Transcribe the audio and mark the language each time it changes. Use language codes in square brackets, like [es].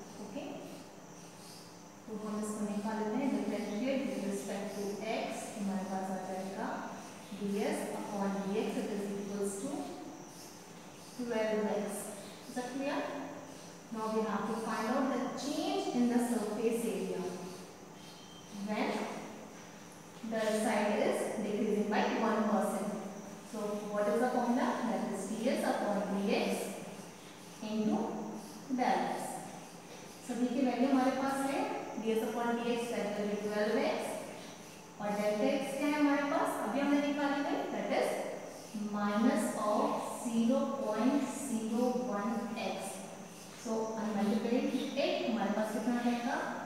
[hi] Okay, तो हम इसको निकाल लेते हैं. [en] Differentiate with respect to x, [hi] हमारे पास आ जाएगा [en] ds upon dx is equals to 12x. Is that clear? Now we have to find out the change in the surface area when the side is decreasing by 1%. So what is the formula? That is ds upon dx into del x. So we can value [hi] हमारे पास है [en] ds upon dx that will be 12x [hi] और del x क्या है हमारे पास? अभी हमने निकाला है [en] that is minus of 0.01x. So, on multiplying it, [hi] हमारे पास कितना आएगा?